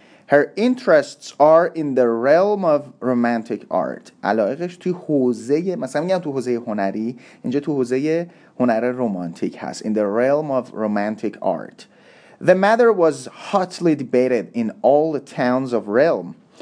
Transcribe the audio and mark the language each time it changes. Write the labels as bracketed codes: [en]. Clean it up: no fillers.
[en] Her interests are in the realm of romantic art. [fa] علاقش توی حوزه، مثلا میگم توی حوزه هنری، اینجا توی حوزه هنر رمانتیک هست. [en] In the realm of romantic art. The matter was hotly debated in all the towns of realm.